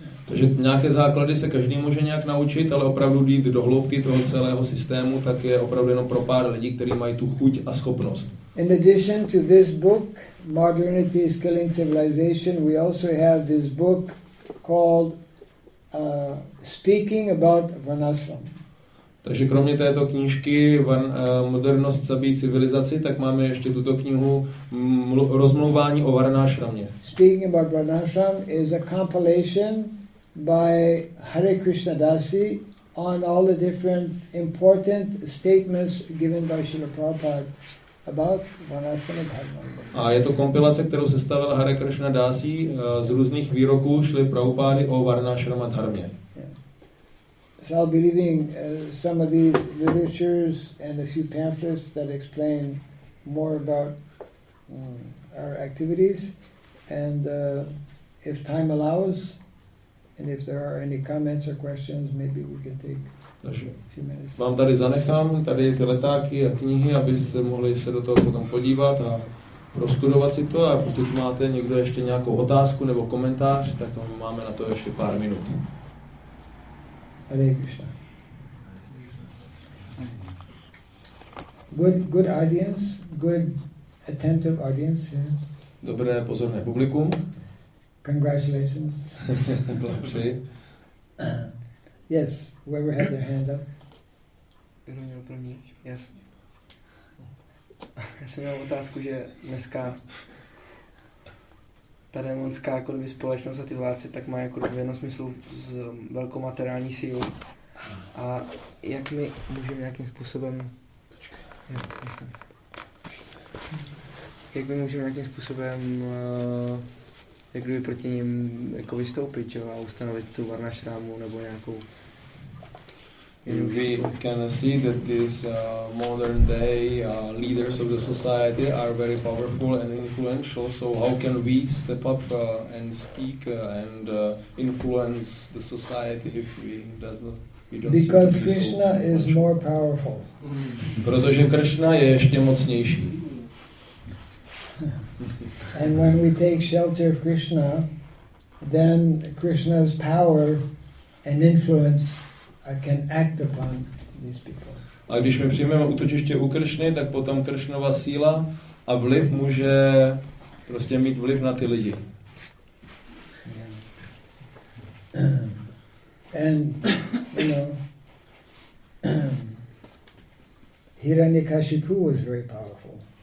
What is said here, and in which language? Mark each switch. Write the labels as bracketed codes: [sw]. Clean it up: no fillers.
[cs] Takže nějaké základy se každý může nějak naučit, ale opravdu jít do hloubky toho celého systému, tak je opravdu jenom pro pár lidí, kteří mají tu chuť a schopnost. [en] In addition to this book, Modernity is Killing Civilization, we also have this book called Speaking About Varnashram. [cs] Takže kromě této knížky Modernost zabíjí civilizaci, tak máme ještě tuto knihu Rozmlouvání o Varnashramě. [en] Speaking About Varnashram is a compilation by Hare Krishna Dasi on all the different important statements given by Srila Prabhupada about Varnashrama Dharma. [cs] A je to kompilace, kterou sestavil Hare Krishna Dasi z různých výroků Srila Prabhupady o Varnashrama Dharmě. [en] So I'll be leaving some of these literatures and a few pamphlets that explain more about our activities. And if time allows, and if there are any comments or questions, maybe we can take a few minutes. [cs] Vám tady zanechám tady ty letáky a knihy, abyste mohli se do toho potom podívat a prostudovat si to. A pokud máte někdo ještě nějakou otázku nebo komentář, tak máme na to ještě pár minut. Hare Krishna. [en] Good audience, good attentive audience. Yeah. [cs] Dobré pozorné publikum. [en] Congratulations. [cs] Blahopřeji. [en] Yes, whoever had their hand up. [cs] Kdo měl první? [en] Yes. [cs] Já jsem měl otázku, že dneska ta démonská jakoby společnost a ty vládci tak má jako v jednom smyslu s velkou materiální sílu. A jak my můžeme nějakým způsobem... Jak my můžeme nějakým způsobem jak kdyby proti ním jako vystoupit, jo, a ustanovit tu varnašrámu nebo nějakou... [en] We can see that these modern day leaders of the society are very powerful and influential, so how can we step up and speak and influence the society if we does not Because Krishna is more powerful. [cs] Protože Krishna je ještě mocnější. [en] And when we take shelter of Krishna, then Krishna's power and influence can act upon these people. [cs] A když my přijmeme útočiště u Krishny, tak potom Krishnova síla a vliv může prostě mít vliv na ty lidi. [en] And you know, Hiranyakashipu was very powerful.